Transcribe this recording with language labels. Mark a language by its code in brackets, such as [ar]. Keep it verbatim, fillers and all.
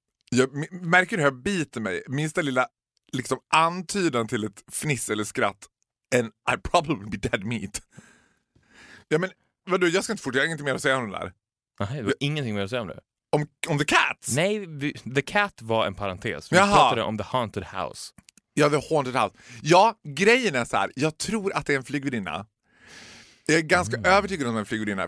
[sv] Jag m- märker hur jag biter mig. Minsta lilla liksom antydan till ett fniss eller skratt. [en] And I'd probably be dead meat. [sv] Ja men vadå, jag ska inte fortsätta, jag har inget mer att säga om det där. Nej, det var ingenting mer att säga om det. Om, om The Cats? Nej, vi, The Cat var en parentes. Vi Jaha. pratade om The Haunted House. Ja, The Haunted House. Ja, grejen är så här. Jag tror att det är en flygvärdinna. Jag är ganska mm. övertygad om att det är en flygvärdinna.